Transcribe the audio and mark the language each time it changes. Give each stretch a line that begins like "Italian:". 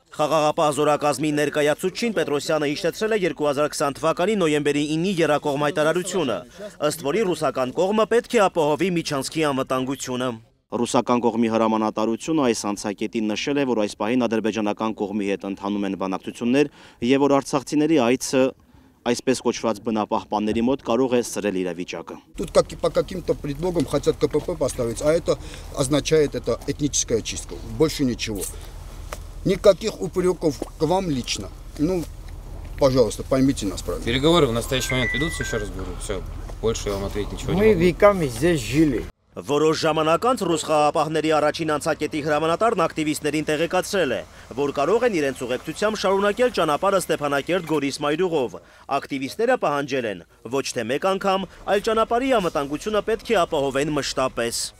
Armenian: Խաղաղապահ զորակազմի ներկայացուցչին Պետրոսյանը հիշեցրել է 2020 թվականի նոյեմբերի 9-ի երակողմ հայտարարությունը, ըստ որի ռուսական կողմը պետք է ապահովի միջանցքի անվտանգությունը։ Ռուսական կողմի հրամանատարությունը այս անցակետին նշել է, որ այս պահին ադրբեջանական կողմի հետ ընդհանում են բանակցություններ, և որ արցախցիների այցը այսպես կոչված բնապահպանների մոտ կարող է սրել իրավիճակը։
Russian: Тут как и по каким-то предлогам хотят КПП поставить, а это означает это этническая чистка, больше ничего. Никаких упреков к вам лично. Ну, пожалуйста, поймите нас правильно. Переговоры в настоящий момент ведутся, еще раз говорю, все, больше я вам ответить ничего не могу. Мы веками здесь жили.
Armenian: Որոշ ժամանակ անց ռուս խաղապահների առաջին անցակետի հրամանատարն ակտիվիստներին տեղեկացրել է, որ կարող են իրենց ուղեկցությամբ շարունակել ճանապարհը Ստեփանակերտ Գորիս մայրուղով։ Ակտիվիստները պահանջել են ոչ թե մեկ անգամ, այլ ճանապարհի անվտանգությունը պետք է ապահովեն մշտապես։